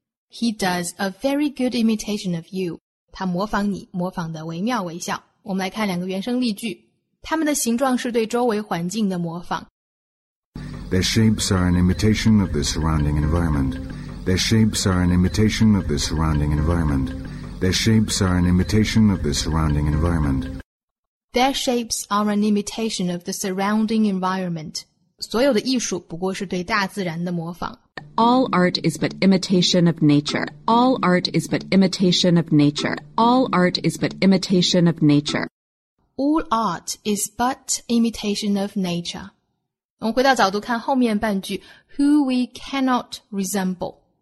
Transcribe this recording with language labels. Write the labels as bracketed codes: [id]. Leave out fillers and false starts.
[en] He does a very good imitation of you. [zh] 他模仿你，模仿的惟妙惟肖。我们来看两个原声例句。它们的形状是对周围环境的模仿。 [en] Their shapes are an imitation of the surrounding environment. Their shapes are an imitation of the surrounding environment. Their shapes are an imitation of the surrounding environment. Their shapes are an imitation of the surrounding environment. [zh] 所有的艺术不过是对大自然的模仿。 [en] All art is but imitation of nature. All art is but imitation of nature. All art is but imitation of nature. All art is but imitation of nature. [zh] 我们回到角度看后面半句 [en] who we cannot resemble.